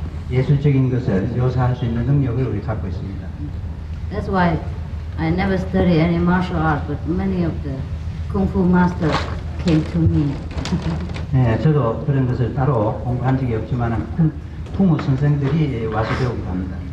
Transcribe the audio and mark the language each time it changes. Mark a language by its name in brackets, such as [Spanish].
[Korean] 예술적인 것을 묘사할 수 있는 능력을 우리 갖고 있습니다. [English] That's why I never study any martial art, but many of the kung fu masters came to me. [Korean] 네, 저도 그런 것을 따로 공부한 적이 없지만 풍우 선생들이 와서 배우고 갑니다.